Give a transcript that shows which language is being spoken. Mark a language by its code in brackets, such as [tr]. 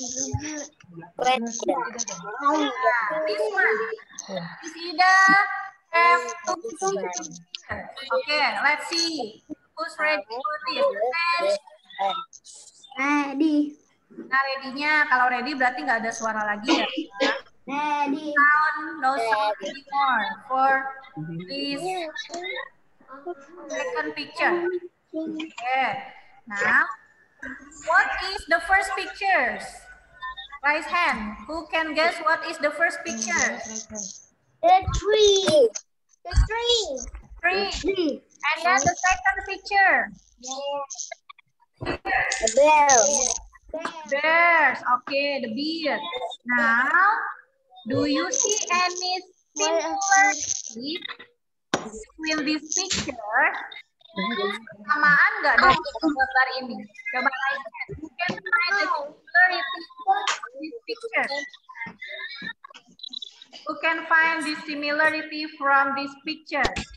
[en] This Ida have to put it here. Okay, let's see. Who's ready for this? Ready. [id] Nah, ready-nya. Kalau ready berarti nggak ada suara lagi ya. [en] Ready. Sound, no sound anymore for this second picture. Okay. Now, what is the first picture? Raise hand. Who can guess what is the first picture? The tree. And then the second picture? The bell. Bears. Okay, the bear. Now, do you see any similar shapes in this picture? [id] Samaan nggak dari gambar ini? Coba lainkan. [en] You can find the similar in this picture. Who can find the similarity from this picture?